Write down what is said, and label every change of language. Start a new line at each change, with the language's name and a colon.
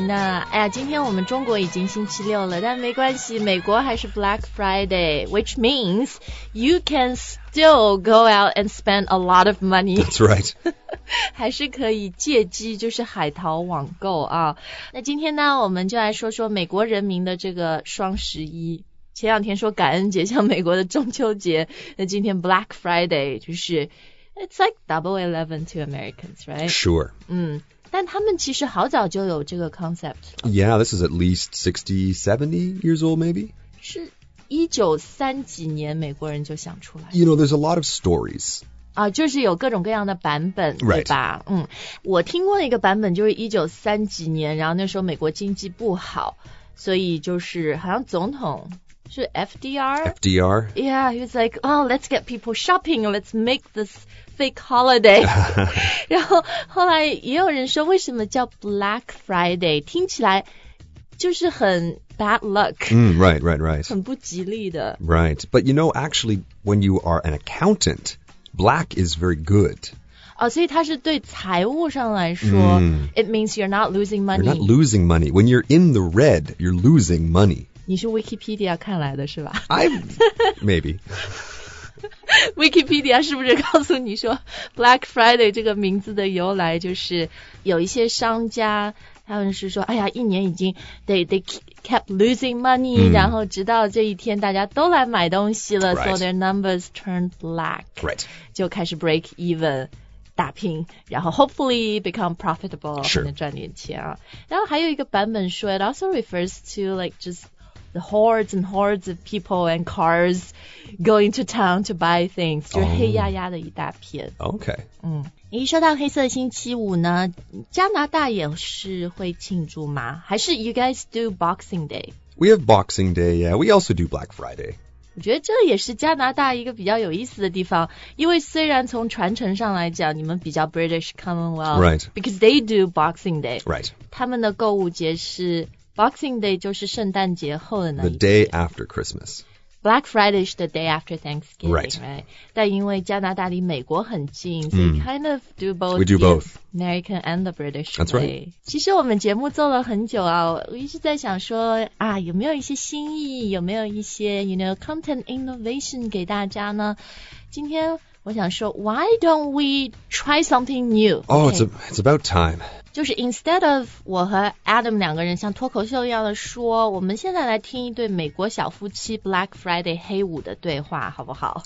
Chinese: 那哎呀，今天我们中国已经星期六了，但没关系，美国还是 Black Friday,
English: which means you can still go out and spend a lot of money. That's right.
Chinese: 还是可以借机就是海淘网购啊。那今天呢，我们就来说说美国人民的这个双十一。前两天说感恩节像美国的中秋节，那今天 Black Friday 就是
English: It's like double 11 to Americans, right? Sure.
Chinese: 但他们其实好早就有这个 concept.
English: Yeah, this is at least 60, 70 years old, maybe?
Chinese: 是1930几年美国人就想出来。
English: You know, there's a lot of stories.
Chinese: 啊，就是有各种各样的版本，对吧？
English: Right.
Chinese: 我听过一个版本就是1930几年，然后那时候美国经济不好，所以就是好像总统是 FDR?
English: FDR? Yeah, he was like, oh, let's get people shopping, let's make this fake holiday.
Chinese: 然后后来也有人说为什么叫 Black Friday, 听起来就是很
English: bad luck. Right.
Chinese: 很不吉利的。
English: Right, but you know, actually, when you are an accountant, black is very good.
Chinese: 所以它是对财务上来说、
English: it means you're not losing money. You're not losing money. When you're in the red, you're losing money.
Chinese: 你是 Wikipedia 看来的是吧
English: Maybe.
Chinese: Wikipedia 是不是告诉你说 Black Friday 这个名字的由来就是有一些商家他们是说哎呀一年已经
English: they kept losing money、
Chinese: 然后直到这一天大家都来买东西了、
English: right. so their numbers turned black、 right.
Chinese: 就开始
English: break even
Chinese: 打拼然后
English: hopefully become profitable、 sure.
Chinese: 能赚点钱啊。然后还有一个版本说
English: it also refers to like justThe hordes and hordes of people and cars going to town to buy things.
Chinese: 就黑压压的一大片。
English: OK.
Chinese: 一说到黑色星期五呢，加拿大也是会庆祝吗？
English: 还是 you guys do Boxing Day? We have Boxing Day, yeah. We also do Black Friday.
Chinese: 我觉得这也是加拿大一个比较有意思的地方，因为虽然从传承上来讲，你们比较 British Commonwealth.
English: Right. Because they do Boxing Day. Right.
Chinese: 他们的购物节是Boxing Day 就是圣诞节后的那一
English: 天。The day after Christmas. Black Friday is the day after Thanksgiving, right? right?
Chinese: 但因为加拿大离美国很近、
English: so you kind of do both. We do both. American and the British That's、 way. Right.
Chinese: 其实我们节目做了很久啊，我一直在想说啊，有没有一些新意，有没有一些
English: you know, content innovation
Chinese: 给大家呢？今天我想说
English: why don't we try something new? Oh,、okay. it's about time.
Chinese: 就是
English: instead of
Chinese: 我和 Adam 两个人像脱口秀一样的说，我们现在来听一对美国小夫妻 Black Friday 黑五的对话，好不好